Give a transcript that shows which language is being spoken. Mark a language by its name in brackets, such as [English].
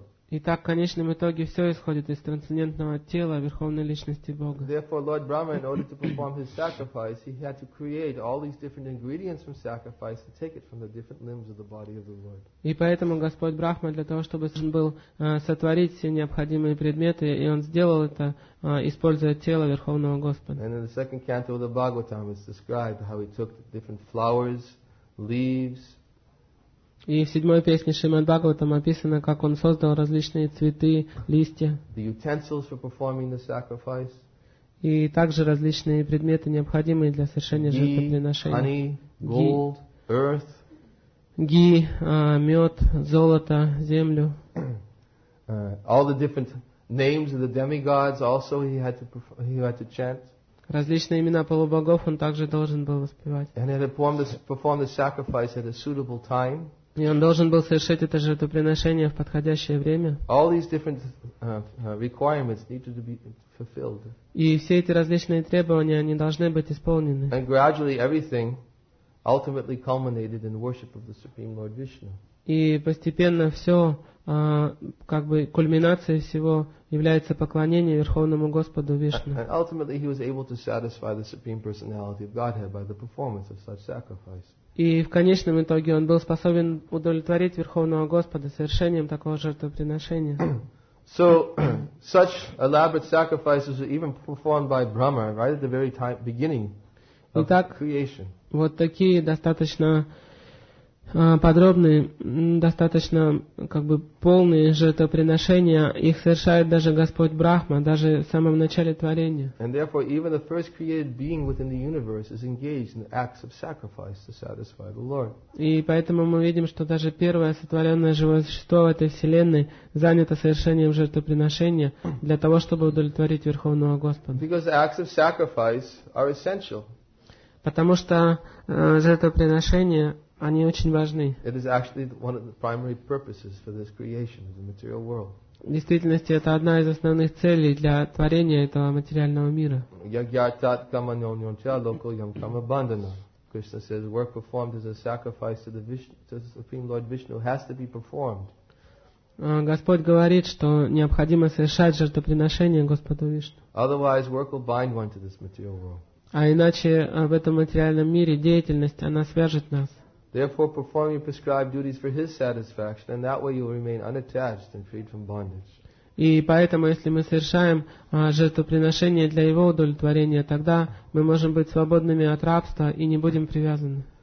[Russian] Итак, в конечном итоге все исходит из трансцендентного тела Верховной Личности Бога. [English] Therefore, Lord Brahma, in order to perform his sacrifice, he had to create all these different ingredients from sacrifice to take it from the different limbs of the body of the Lord. [Russian] И поэтому Господь Брахма для того, чтобы он был сотворить все необходимые предметы, и он сделал это, используя тело Верховного Господа. [English] And in the second canto of the Bhagavatam, it's described how he took the different flowers, leaves. [Russian] И в седьмой песне Шримад-Бхагаватам описано, как он создал различные цветы, листья. [English] The utensils for performing the sacrifice. [Russian] И также различные предметы, необходимые для совершения жертвоприношения. [English] Honey, gold, ghee, earth. [Russian] Ghee, мед, золото, землю. [English] All the different names of the demigods also he had to chant. [Russian] Различные имена полубогов он также должен был воспевать. [English] And he had to perform the sacrifice at a suitable time. [Russian] И он должен был совершить это жертвоприношение в подходящее время. [English] All these different requirements need to be fulfilled. [Russian] И все эти различные требования, они должны быть исполнены. [English] And gradually everything ultimately culminated in worship of the Supreme Lord Vishnu. [Russian] И постепенно все, как бы кульминацией всего является поклонение Верховному Господу Вишну. [English] And ultimately he was able to satisfy the Supreme Personality of Godhead by the performance of such sacrifice. [Russian] И в конечном итоге он был способен удовлетворить Верховного Господа совершением такого жертвоприношения. [English] So, such elaborate sacrifices were even performed by Brahma right at the very beginning of creation. [Russian] Вот такие достаточно подробные, достаточно как бы полные жертвоприношения, их совершает даже Господь Брахма, даже в самом начале творения. [English] And therefore, even the first created being within the universe is engaged in acts of sacrifice to satisfy the Lord. [Russian] И поэтому мы видим, что даже первое сотворенное живое существо в этой вселенной занято совершением жертвоприношения для того, чтобы удовлетворить Верховного Господа. [English] Because acts of sacrifice are essential. [Russian] Потому что жертвоприношения, они очень важны. [English] It is actually one of the primary purposes for this creation of the material world. [Russian] В действительности, это одна из основных целей для творения этого материального мира. [Sanskrit] Yagyartat kama nyonyoncha lokal yam kama bandana. [English] Krishna says, work performed as a sacrifice to the Supreme Lord Vishnu has to be performed. [Russian] Господь говорит, что необходимо совершать жертвоприношение Господу Вишну. [English] Otherwise, work will bind one to this material world. [Russian] А иначе в этом материальном мире деятельность, она свяжет нас. [English] Therefore, perform your prescribed duties for his satisfaction, and that way you will remain unattached and freed from bondage. [Russian] И поэтому, если мы совершаем жертвоприношение для его удовлетворения, тогда мы можем быть свободными от рабства и не будем привязаны.